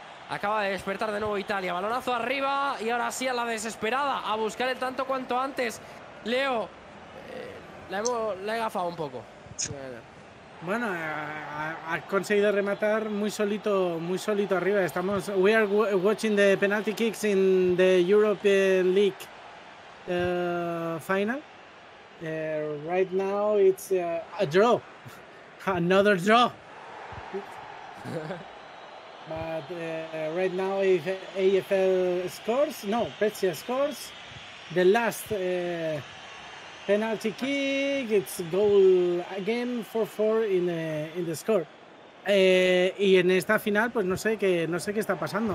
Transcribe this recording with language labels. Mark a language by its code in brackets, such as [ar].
[es] Acaba de despertar de nuevo Italia. Balonazo arriba y ahora sí a la desesperada. A buscar el tanto cuanto antes. Leo, la he gafado un poco. Bueno, ha conseguido rematar muy solito arriba. Estamos. [en] We are watching the penalty kicks in the European League final. Right now it's a draw. Another draw. But right now, if AFL scores, no, Pezzi scores, the last penalty kick, it's goal again, 4-4 in the score. [es] Y en esta final, pues no sé qué está pasando.